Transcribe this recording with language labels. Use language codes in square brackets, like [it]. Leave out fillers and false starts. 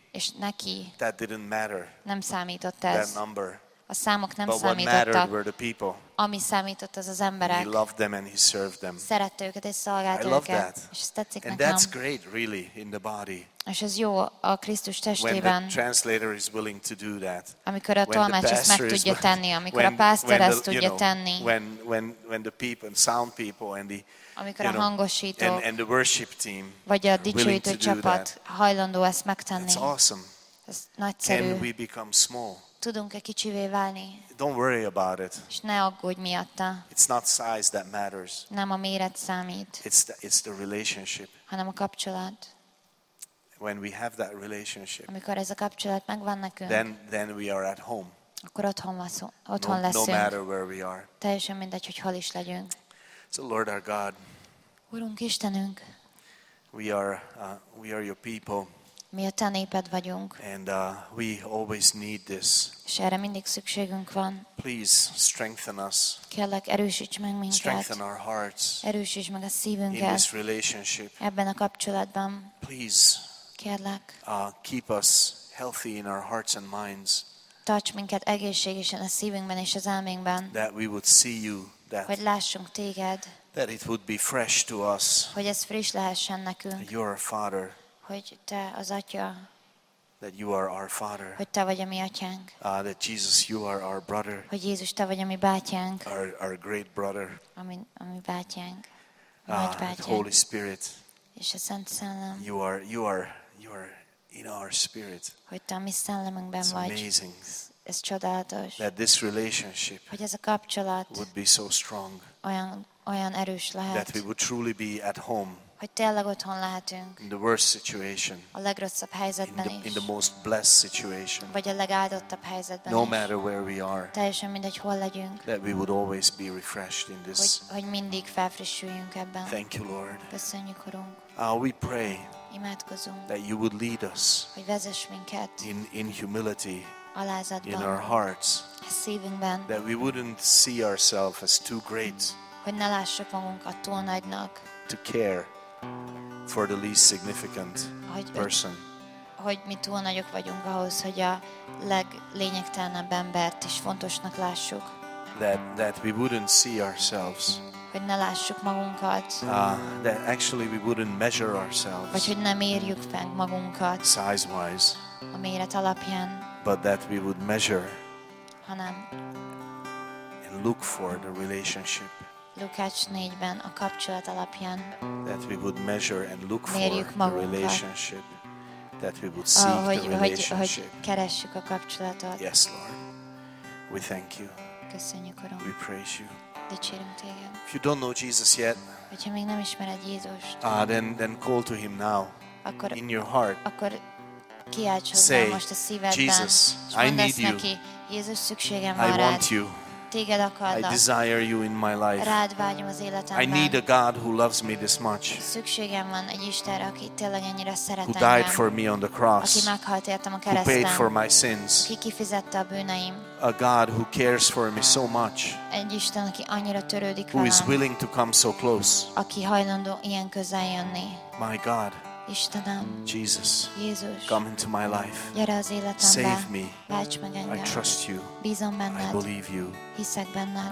[hu] És neki. [en] That didn't matter. [hu] Nem számított ez. [en] That number. [hu] A számok nem [en] but [hu] számítottak. [en] What mattered were the people. [hu] Ami számított az emberek. [en] He loved them and he served them. [hu] Szerette őket és szolgált [en] I love that. [hu] És ez tetszik nekem. [en] And that's great, really, in the body. [hu] És ez jó a Krisztus testében. [en] When the translator is willing to do that. [hu] Amikor a tolmács ezt meg tudja tenni, amikor a pásztor ezt tudja tenni. [en] When the people and sound people and the [hu] amikor a hangosító [en] and the worship team [hu] vagy a dicsőítő csapat hajlandó ezt megtenni. [en] That's awesome. [hu] Ez nagyszerű. [en] Can we become small? [hu] Tudunk-e kicsivé válni? [en] Don't worry about it. [hu] És ne aggódj miatta. [en] It's not size that matters. [hu] Nem a méret számít. [en] It's the relationship. [hu] Hanem a kapcsolat. [en] When we have that relationship. [hu] Amikor ez a kapcsolat megvan nekünk. [en] Then we are at home. [hu] Akkor otthon leszünk. [en] No matter where we are. [hu] Teljesen mindegy, hogy hol is legyünk. [en] So Lord our God. [hu] Urunk Istenünk. [en] We are your people. [hu] Mi a te néped vagyunk. [en] And we always need this. [hu] És erre mindig szükségünk van. [en] Please strengthen us. [hu] Kérlek, erősíts meg minket. [en] Strengthen our hearts. [hu] Erősíts meg a szívünket. [en] In this relationship. [hu] Ebben a kapcsolatban. [en] Please. [hu] Kérlek. [en] Keep us healthy in our hearts and minds. [hu] Tarts minket egészségesen a szívünkben és az elménkben. [en] That we would see you. That [hu] hogy lássunk téged. [en] That it would be fresh to us. [hu] Hogy ez friss lehessen nekünk. [en] Your Father. [hu] Hogy te az atya. [en] That you are our father. [hu] Hogy te vagy a mi atyánk. [en] That Jesus you are our brother. [hu] Hogy Jézus te vagy a mi bátyánk. [en] Our great brother. [hu] A mi bátyánk. [en] The Holy Spirit. [hu] És a Szent Szellem. [en] You are in our spirit. [hu] Hogy te a mi szellemünkben vagy. [en] It's amazing. [hu] Ez csodálatos. [en] That this relationship. [hu] Hogy ez a kapcsolat. [en] Would be so strong. [hu] Olyan erős lehet. [en] That we would truly be at home. [hu] Hogy tényleg otthon lehetünk. [en] In the worst situation. [hu] A legrosszabb helyzetben is. [en] In the most blessed situation. [hu] Vagy a legáldottabb helyzetben [en] no [hu] is. [en] No matter where we are. [hu] Teljesen mindegy, hol legyünk. [en] That we would always be refreshed in this. [hu] Hogy mindig felfrissüljünk ebben. [en] Thank you, Lord. [hu] Köszönjük, Urunk. [en] We pray. [hu] Imádkozunk. [en] That you would lead us. [hu] Hogy vezess minket. [en] In humility. [hu] Alázatban. [en] In our hearts. [hu] A szívünkben. [en] That we wouldn't see ourselves as too great. [hu] Hogy ne lássuk magunkat túl nagynak. [en] To care. For the least significant person. [hu] Hogy mi túl nagyok vagyunk ahhoz, hogy a leglényegtelenebb embert is fontosnak lássuk. [en] That we wouldn't see ourselves. [hu] Hogy ne lássuk magunkat. [en] That actually we wouldn't measure ourselves. [hu] Vagy hogy nem mérjük fel magunkat. [en] Size-wise. [hu] A méret alapján. [en] But that we would measure. [hu] Hanem. [en] And look for the relationship. [hu] Lukács 4-ben a kapcsolat alapján [en] that we would measure and look for the relationship that we would seek the relationship. [hu] Keressük a kapcsolatot. [en] Yes, Lord. We thank you. [hu] Köszönjük, Uram. [en] We praise you. [hu] Dicsérünk téged. [en] If you don't know Jesus yet, [hu] hogyha még nem ismered Jézust, [en] then call to him now [hu] akkor, [en] in your heart. [hu] Akkor kiálts hozzá most a szívedben. [en] Jesus, I need you. [hu] Jézus, szükségem van rád. [en] I want you. [hu] téged akarlak. [en] I desire you in my life. [hu] Rád vágyom az életemben. [en] I need a God who loves me this much. [hu] Szükségem van egy Istenre, aki tényleg ennyire szeret engem. [en] Who died for me on the cross. [hu] Aki meghalt értem a kereszten. [en] Who paid for my sins. [hu] Aki kifizette a bűneim. [en] A God who cares for me so much. [hu] Egy Isten, aki annyira törődik velem. [en] Who is willing to come so close. [hu] Aki hajlandó ilyen közel jönni. [en] My God. [hu] Istenem, [en] Jesus, [hu] Jézus, [en] come into my life. [hu] Gyere az életembe. [en] Save me. [hu] Válts meg engem. [en] I trust you. [hu] Bízom benned. [en] I believe you. [hu] Hiszek benned.